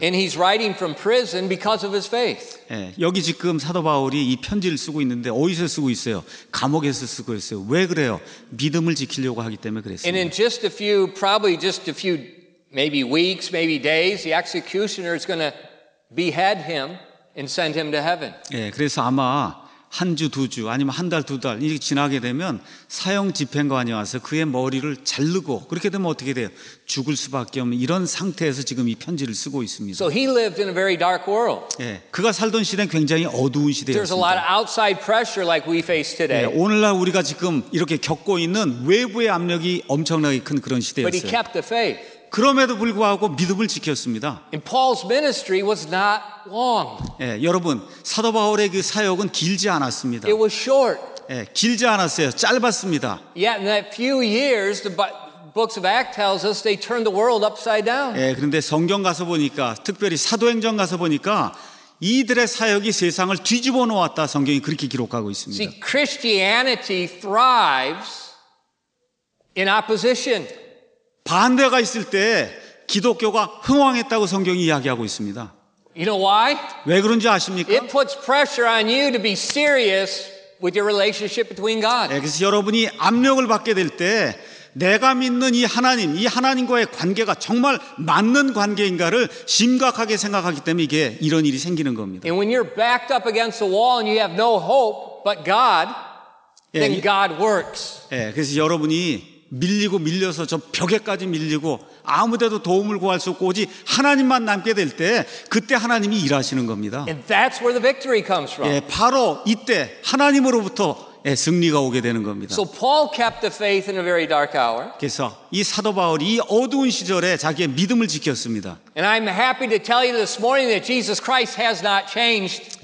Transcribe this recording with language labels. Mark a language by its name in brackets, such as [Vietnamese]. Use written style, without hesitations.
[English] And he's writing from prison because of his faith. [Korean] 예, 여기 지금 사도 바울이 이 편지를 쓰고 있는데 어디서 쓰고 있어요? 감옥에서 쓰고 있어요. 왜 그래요? 믿음을 지키려고 하기 때문에 그랬습니다. [English] And in just a few, probably just a few. Maybe weeks, maybe days, the executioner is going to behead him and send him to heaven. [Korean] 예, 그래서 아마 한 주, 두 주, 아니면 한 달, 두 달 이렇게 지나게 되면 사형 집행관이 와서 그의 머리를 자르고 그렇게 되면 어떻게 돼요? 죽을 수밖에 없는 이런 상태에서 지금 이 편지를 쓰고 있습니다. [English] So he lived in a very dark world. [Korean] 예, 그가 살던 시대는 굉장히 어두운 시대였습니다. [English] There's a lot of outside pressure like we face today. [Korean] 예, 오늘날 우리가 지금 이렇게 겪고 있는 외부의 압력이 엄청나게 큰 그런 시대였어요. [English] But he kept the faith. [Korean] 그럼에도 불구하고 믿음을 지켰습니다. [English] And Paul's ministry was not long. [Korean] 예, 여러분 사도 바울의 그 사역은 길지 않았습니다. [English] It was short. [Korean] 예, 길지 않았어요. 짧았습니다. [English] Yet in that few years, the books of Acts tells us they turned the world upside down. [Korean] 예, 그런데 성경 가서 보니까, 특별히 사도행전 가서 보니까 이들의 사역이 세상을 뒤집어 놓았다. 성경이 그렇게 기록하고 있습니다. [English] See, Christianity thrives in opposition. [Korean] 반대가 있을 때 기독교가 흥왕했다고 성경이 이야기하고 있습니다. [English] You know why? [Korean] 왜 그런지 아십니까? [English] It puts pressure on you to be serious with your relationship between God. [Korean] 예, 그래서 여러분이 압력을 받게 될 때 내가 믿는 이 하나님과의 관계가 정말 맞는 관계인가를 심각하게 생각하기 때문에 이게 이런 일이 생기는 겁니다. [English] And when you're backed up against the wall and you have no hope but God, then God works. [Korean] 예, 그래서 여러분이 밀리고 밀려서 저 벽에까지 밀리고 아무데도 도움을 구할 수 없고 오직 하나님만 남게 될 때 그때 하나님이 일하시는 겁니다. [English] And that's where the victory comes from. [Korean] 예, 바로 이때 하나님으로부터 승리가 오게 되는 겁니다. [English] So Paul kept the faith in a very dark hour. [Korean] 그래서 이 사도 바울이 이 어두운 시절에 자기의 믿음을 지켰습니다. [English] And I'm happy to tell you this morning that Jesus Christ has not changed.